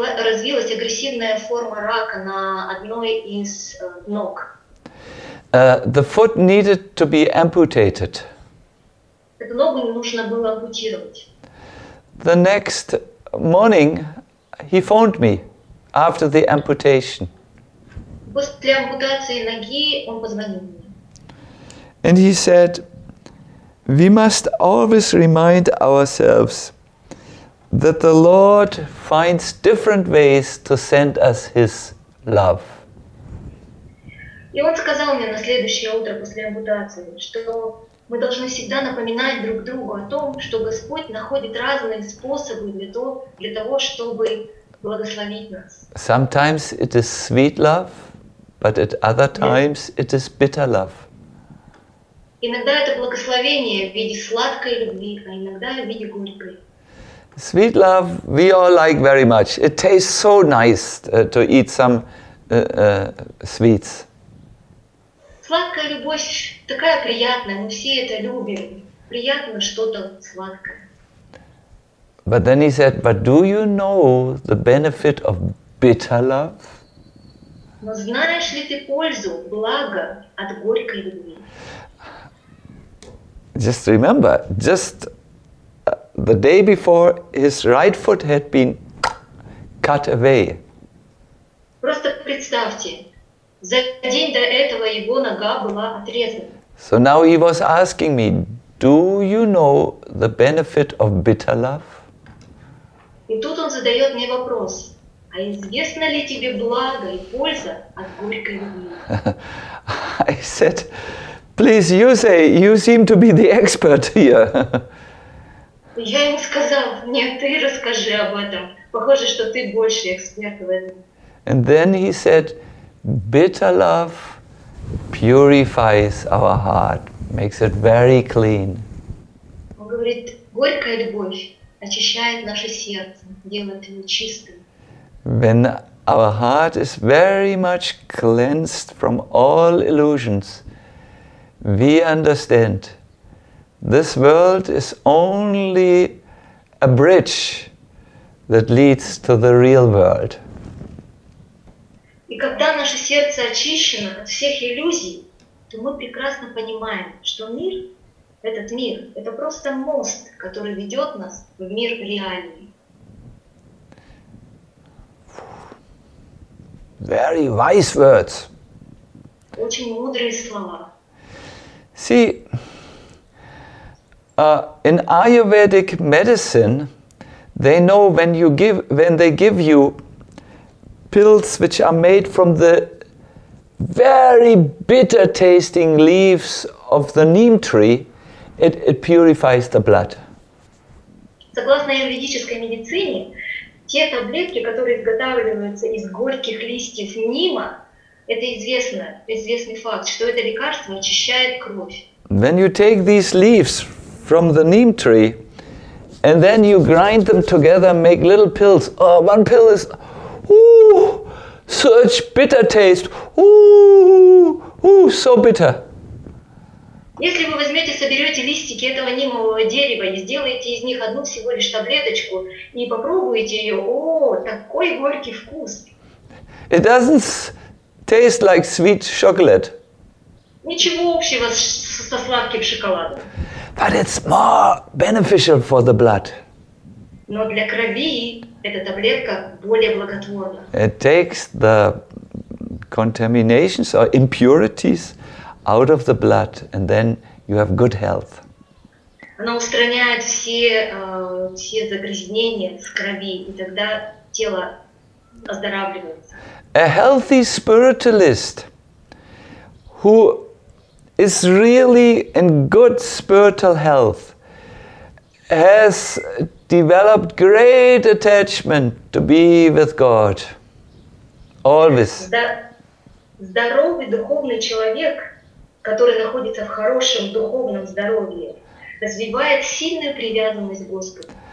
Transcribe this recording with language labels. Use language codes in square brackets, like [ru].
[ru] Развилась агрессивная форма рака на одной из ног. [en] The foot needed to be amputated. [ru] Эту ногу нужно было ампутировать. [en] The next morning, he phoned me after the amputation. [ru] После ампутации ноги он позвонил мне. [en] And he said, "We must always remind ourselves that the Lord finds different ways to send us His love." [ru] И он сказал мне на следующее утро после ампутации, что мы должны всегда напоминать друг другу о том, что Господь находит разные способы для того, чтобы благословить нас. [en] Sometimes it is sweet love, but at other times it is bitter love. [ru] Иногда это благословение в виде сладкой любви, а иногда в виде горькой. [en] Sweet love we all like very much. It tastes so nice to eat some sweets. [ru] Сладкая любовь такая приятная, мы все это любим. Приятно что-то сладкое. [en] But then he said, "But do you know the benefit of bitter love?" [ru] Но знаешь ли ты пользу, благо от горькой любви? [en] Just remember, just the day before, his right foot had been cut away. [ru] Просто представьте, за день до этого его нога была отрезана. [en] So now he was asking me, "Do you know the benefit of bitter love?" [ru] И тут он задает мне вопрос: а известно ли тебе благо и польза от горькой любви? [en] I said, "Please, you say, you seem to be the expert here." [ru] Я ему сказал, нет, ты расскажи об этом. Похоже, что ты больше эксперт в этом. [en] And then he said, "Bitter love purifies our heart, makes it very clean." [ru] Он говорит, горькая любовь очищает наше сердце, делает его чистым. [en] When our heart is very much cleansed from all illusions, we understand this world is only a bridge that leads to the real world. [ru] И когда наше сердце очищено от всех иллюзий, то мы прекрасно понимаем, что мир, этот мир, это просто мост, который ведет нас в мир реальный. [en] Very wise words. [ru] Очень мудрые слова. [en] See, in Ayurvedic medicine, they know when they give you pills which are made from the very bitter tasting leaves of the neem tree, it purifies the blood. [ru] Согласно аюрведической медицине, те таблетки, которые изготавливаются из горьких листьев нима, это известный факт, что это лекарство очищает кровь. [en] When you take these leaves from the neem tree and then you grind them together, make little pills. Oh, one pill is, ooh, such bitter taste. Ooh, ooh, so bitter. [ru] Если вы возьмете, соберете листики этого нимового дерева и сделаете из них одну всего лишь таблеточку и попробуете ее, такой горький вкус. [en] It doesn't taste like sweet chocolate. [ru] Ничего общего со сладким шоколадом. [en] But it's more beneficial for the blood. [ru] Но для крови эта таблетка более благотворна. [en] It takes the contaminations or impurities out of the blood, and then you have good health. [ru] Она устраняет все загрязнения с крови, и тогда тело оздоравливается. [en] A healthy spiritualist who is really in good spiritual health has developed great attachment to be with God. Always. [ru] Здоровый духовный человек, который находится в хорошем духовном здоровье, развивает сильную привязанность к Господу.